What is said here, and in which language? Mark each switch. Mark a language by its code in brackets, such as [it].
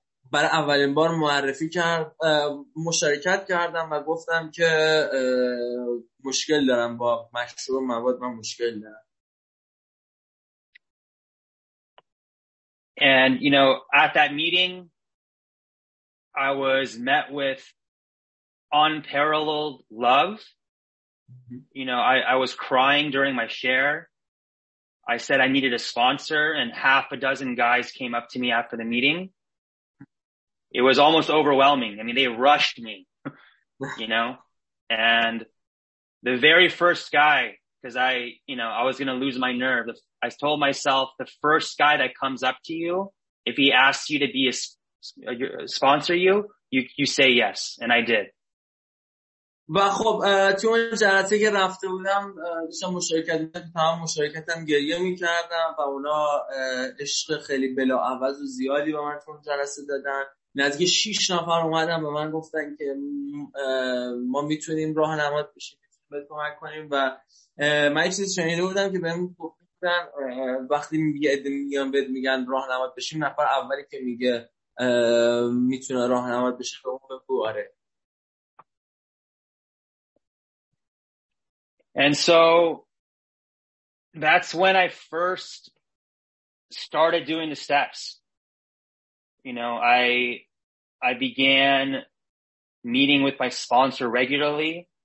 [fa] برای اولین بار معرفی کرد، مشارکت کردم و گفتم که مشکل دارم با مشروب مواد، من مشکل دارم. [en] And you know, at that meeting, I was met with unparalleled love. Mm-hmm. You know, I was crying during my share. I said I needed a sponsor, and half a dozen guys came up to me after the meeting. It was almost overwhelming. I mean, they rushed me, you know, and the very first guy, because I, you know, I was going to lose my nerve. I told myself the first guy that comes up to you, if he asks you to be a sponsor you, you say yes. And I did. [fa] و خب توی اون جلسه که رفته بودم داشتم مشارکت میکردم، تمام مشارکتم گریه میکردم و اونا عشق خیلی بلاعوض و زیادی به من توی جلسه دادن. نزدیک 6 نفر اومدن به من گفتن که ما میتونیم راه نماد بشیم، میتونیم بهت کمک کنیم. و من یه چیزی شنیده بودم که بهم گفتن وقتی میگن بهت میگن راه نماد بشیم، نفر اولی که میگه میتونه راه نماد بشه به اون بگو آره. [en] And so that's when I first started doing the steps. You know, I began meeting with my sponsor regularly.